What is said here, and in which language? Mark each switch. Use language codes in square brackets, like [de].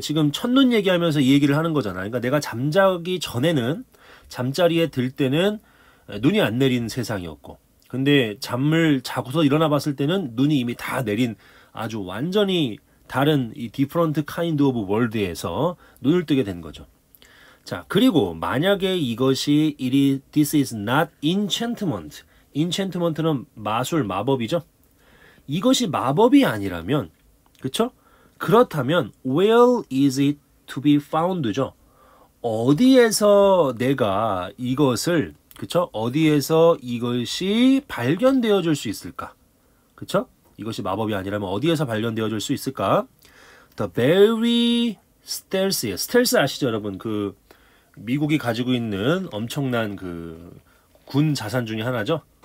[ko] 지금 첫눈 얘기하면서 이 얘기를 하는 거잖아. 그러니까 내가 잠자기 전에는 잠자리에 들 때는 눈이 안 내린 세상이었고, 근데 잠을 자고서 일어나 봤을 때는 눈이 이미 다 내린 아주 완전히 다른 이 different kind of world 에서 눈을 뜨게 된 거죠. 자, 그리고 만약에 이것이 this is not enchantment. enchantment는 마술, 마법이죠. 이것이 마법이 아니라면, 그쵸? [en] 그렇다면, where is it to be found죠? [ko] 어디에서 내가 이것을, 그쵸? 어디에서 이것이 발견되어 줄수 있을까? 그쵸? 이것이 마법이 아니라면 어디에서 발견되어 줄수 있을까? The very stealthy. 스텔스 아시죠, 여러분? 그, 미국이 가지고 있는 엄청난 그, 군 자산 중에 하나죠?